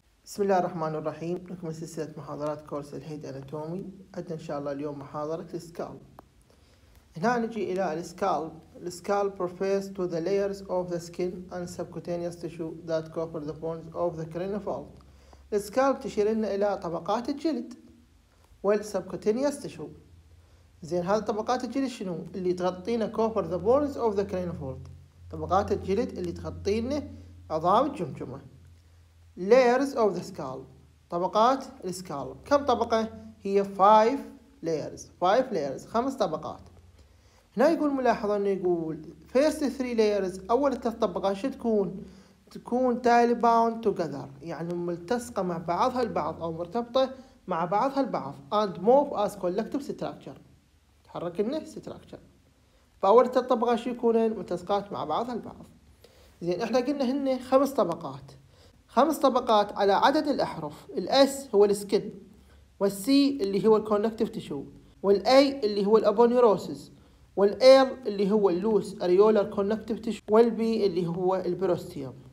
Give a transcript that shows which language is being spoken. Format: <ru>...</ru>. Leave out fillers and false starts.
<ar>بسم الله الرحمن الرحيم، نكمل سلسلة محاضرات كورس الهيد أناتومي. عندنا إن شاء الله اليوم محاضرة السكالب. هنا نجي إلى السكالب.</ar> <en>السكالب refers to the layers of the skin and subcutaneous tissue that cover the bones of the cranial vault.</en> <ar>السكالب تشير لنا إلى طبقات الجلد وال</ar> <en>subcutaneous tissue.</en> <ar>زين، هذه طبقات الجلد شنو؟ اللي تغطينا</ar> <en>cover the bones of the cranial vault،</en> <ar>طبقات الجلد اللي تغطينا عظام الجمجمة.</ar> <en>Layers of the skull،</en> <ar>طبقات السكالب. كم طبقة؟ هي 5 layers، خمس طبقات. هنا يقول ملاحظة إنه يقول</ar> <en>first 3 layers،</en> <ar>أول 3 طبقات شو تكون؟ تكون</ar> <en>tightly bound together،</en> <ar>يعني ملتصقة مع بعضها البعض أو مرتبطة مع بعضها البعض.</ar> <en>And move as collective structure،</en> <ar>تحرك إنه</ar> <en>structure.</en> <ar>فأول 3 طبقات شو يكونن؟ ملتصقات مع بعضها البعض. زين، إحنا قلنا هن 5 طبقات. 5 طبقات على عدد الأحرف. الأس هو السكن، والسي اللي هو الكونكتيف تشو، والأي اللي هو الأبونيروسيس، والأيل اللي هو اللوس أريولر كونكتيف تشو، والبي اللي هو البروستيوم.</ar>